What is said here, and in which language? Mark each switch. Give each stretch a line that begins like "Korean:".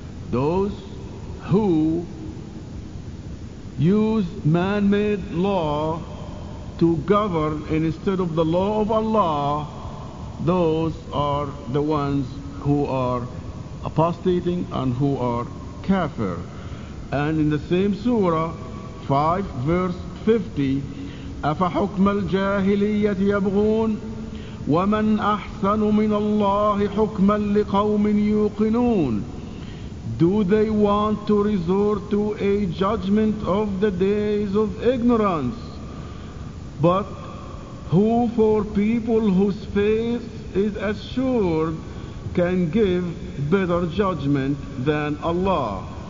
English: Those who use man-made law to govern instead of the law of Allah, those are the ones who are apostating and who are kafir. And in the same surah, 5 verse 50,
Arabic: أَفَحُكْمَ الْجَاهِلِيَّةِ يَبْغُونَ وَمَنْ أَحْسَنُ مِنَ اللَّهِ حُكْمًا لِقَوْمٍ يُوقِنُونَ.
English: Do they want to resort to a judgment of the days of ignorance? But who for people whose faith is assured can give better judgment than Allah?